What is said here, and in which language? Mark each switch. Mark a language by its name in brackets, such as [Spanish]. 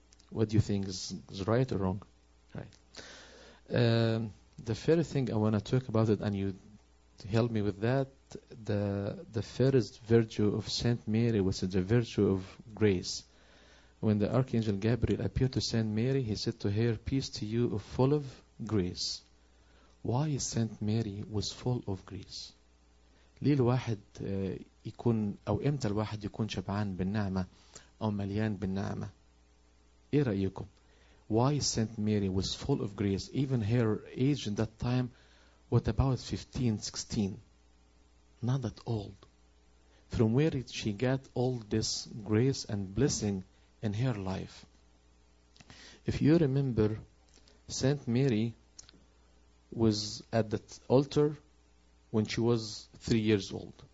[English] What do you think is right or wrong? Right. The first thing I wanna talk about it, and you help me with that. The first virtue of Saint Mary was the virtue of grace. When the Archangel Gabriel appeared to Saint Mary, he said to her, "Peace to you, full of grace." Why Saint Mary was full of grace? [Arabic] ليه الواحد يكون أو إمتى الواحد يكون شبعان بالنعمة أو مليان بالنعمة؟ إيه رأيكم؟ [English] Why Saint Mary was full of grace? Even her age in that time, what about 15, 16? Not that old. From where did she get all this grace and blessing in her life? If you remember, Saint Mary was at the altar when she was 3 years old.